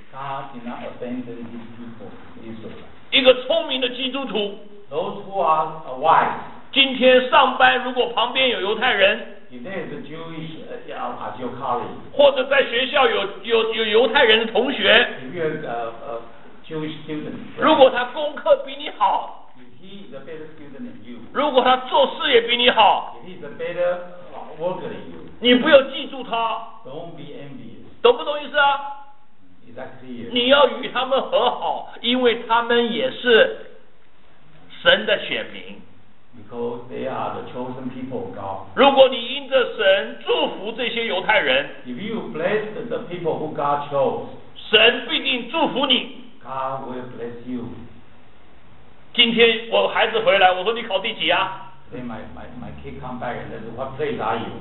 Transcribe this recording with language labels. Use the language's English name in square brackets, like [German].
[English] God did not abandon his people, Israel. [Chinese] 一个聪明的基督徒。 [English] Those who are wise. [Chinese] 今天上班如果旁边有犹太人。 [English] If there is a Jewish, colleague. [Chinese] 或者在学校有犹太人的同学。 [English] If you have a Jewish student. [Chinese] 如果他功课比你好。 [English] If he is a better student than you. [Chinese] 如果他做事也比你好。 [English] If he is a better worker than you. [Chinese] 你不要嫉妒他。 [English] Don't be envious. [Chinese] 懂不懂意思啊？ [English] Exactly. [Chinese] 你要与他们和好，因为他们也是神的选民。 [English] Because they are the chosen people of God. [Chinese] 如果你因着神祝福这些犹太人， [English] If you bless the people who God chose, [Chinese] 神必定祝福你。 [English] God will bless you. [Chinese] 今天我孩子回来，我说你考第几啊？ [English] Then my kid come back and says, What place are you?